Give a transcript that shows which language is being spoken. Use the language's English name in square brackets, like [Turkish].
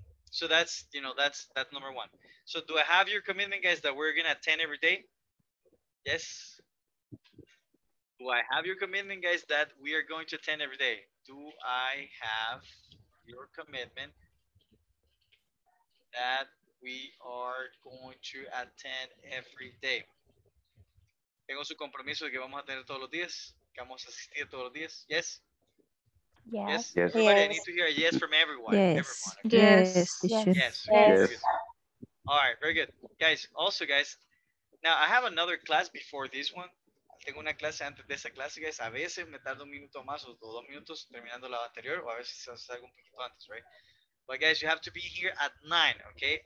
[English] So that's, you know, that's number one. So do I have your commitment, guys, that we're going to attend every day? Yes? Do I have your commitment, guys, that we are going to attend every day? Do I have your commitment that we are going to attend every day? [Spanish] Tengo su compromiso de que vamos a tener todos los días, que vamos a asistir todos los días. [English] Yes? Yes. Yes. Yes. Everybody, I need to hear a yes from everyone. Yes. Everyone, okay? Yes. Yes. All right. Very good. Guys, also, guys, now I have another class before this one. [Spanish] Tengo una clase antes de esa clase, guys. A veces me tardo un minuto más o dos minutos terminando la anterior, o a veces salgo un poquito antes, right? [English] But, guys, you have to be here at 9, okay?